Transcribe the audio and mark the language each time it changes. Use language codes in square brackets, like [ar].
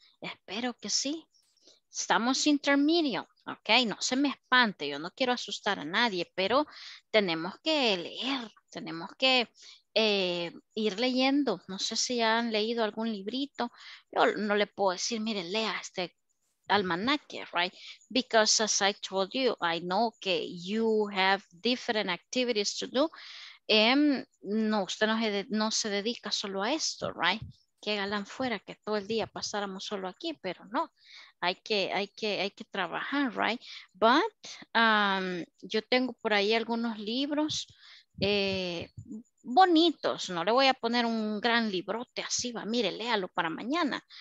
[es] Espero que sí. Estamos intermedio, okay? No se me espante. Yo no quiero asustar a nadie, pero tenemos que leer. Tenemos que ir leyendo. No sé si ya han leído algún librito. Yo no le puedo decir, mire, lea este almanaque, right? [en] Because as I told you, I know [es] que [en] you have different activities to do. [es] No, usted no se dedica solo a esto, right? Qué galán fuera que todo el día pasáramos solo aquí, pero no. Hay que trabajar, right? [en] But [es] yo tengo por ahí algunos libros bonitos. No le voy a poner un gran librote así, va, mire, léalo para mañana.